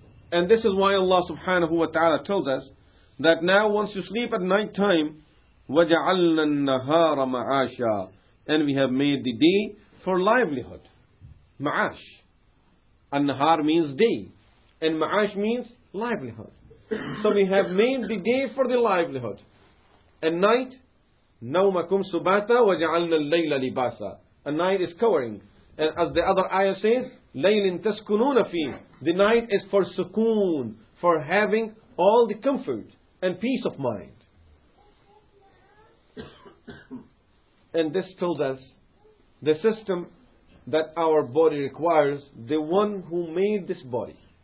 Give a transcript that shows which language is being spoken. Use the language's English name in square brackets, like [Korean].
[English] And this is why Allah subhanahu wa ta'ala tells us that now once you sleep at night time, [Arabic] وَجَعَلْنَا النَّهَارَ مَعَاشًا. [English] And we have made the day for livelihood. Ma'ash. An-nahar means day. And ma'ash means livelihood. So we have made the day for the livelihood. And night, [Arabic] نَوْمَكُمْ سُبَاتًا وَجَعَلْنَا اللَّيْلَ لِبَاسًا. [English] A night is covering. And as the other ayah says, [Arabic] لَيْلٍ تَسْكُنُونَ فِيهِ. [English] The night is for sukoon, for having all the comfort and peace of mind. And this tells us the system that our body requires, the one who made this body.